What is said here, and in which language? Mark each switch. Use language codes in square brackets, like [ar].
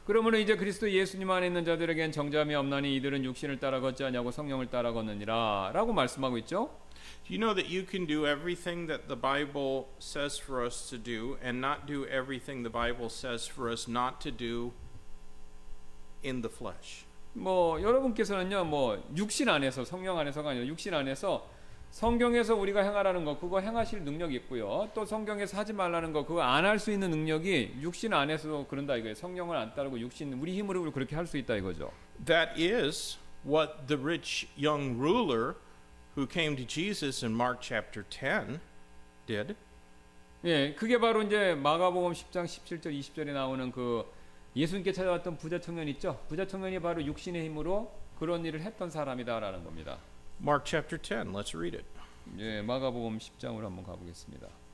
[ko] 그러므로 이제 그리스도 예수님 안에 있는 자들에겐 정죄함이 없나니 이들은 육신을 따라 걷지 아니하고 성령을 따라 걷느니라 라고 말씀하고 있죠. [en] Do you know that you can do everything that the Bible says for us to do and not do everything the Bible says for us not to do in the flesh. [ko] 뭐 여러분께서는요. 뭐 육신 안에서 성령 안에서가 아니라 육신 안에서 성경에서 우리가 행하라는 거 그거 행하실 능력이 있고요. 또 성경에서 하지 말라는 거 그거 안 할 수 있는 능력이 육신 안에서 그런다 이거예요. 성령을 안 따르고 육신 우리 힘으로 그렇게 할 수 있다 이거죠. [en] That is what the rich young ruler who came to Jesus in Mark chapter 10 did. [ko] 예, 그게 바로 이제 마가복음 10장 17절 20절에 나오는 그 예수님께 찾아왔던 부자 청년 있죠. 부자 청년이 바로 육신의 힘으로 그런 일을 했던 사람이다라는 겁니다. [en] Mark chapter 10. Let's read it. [ko] 예, 마가복음 10장으로 한번 가보겠습니다.